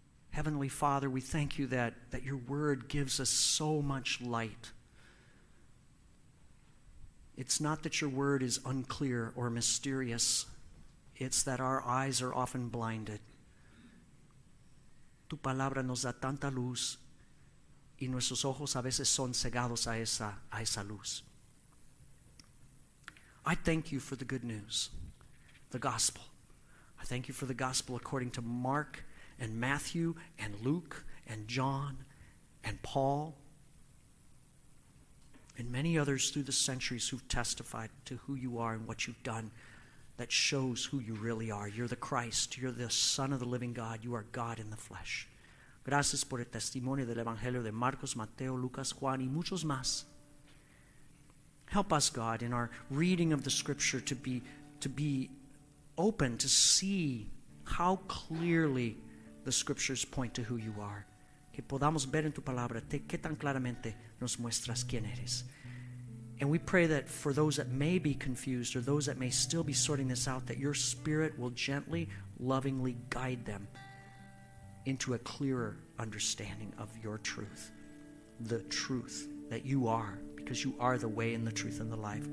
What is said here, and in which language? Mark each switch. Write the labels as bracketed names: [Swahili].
[English] Heavenly Father, we thank you that your word gives us so much light. It's not that your word is unclear or mysterious. It's that our eyes are often blinded. [Spanish] Tu palabra nos da tanta luz y nuestros ojos a veces son cegados a esa luz. [English] I thank you for the good news, the gospel. I thank you for the gospel according to Mark and Matthew and Luke and John and Paul and many others through the centuries who've testified to who you are and what you've done that shows who you really are. You're the Christ. You're the Son of the living God. You are God in the flesh. [Spanish] Gracias por el testimonio del Evangelio de Marcos, Mateo, Lucas, Juan y muchos más. [English] Help us, God, in our reading of the Scripture to be open to see how clearly the Scriptures point to who you are. [Spanish] Que podamos ver en tu palabra qué tan claramente nos muestras quién eres. [English] And we pray that for those that may be confused or those that may still be sorting this out, that your Spirit will gently, lovingly guide them into a clearer understanding of your truth, the truth that you are, because you are the way and the truth and the life.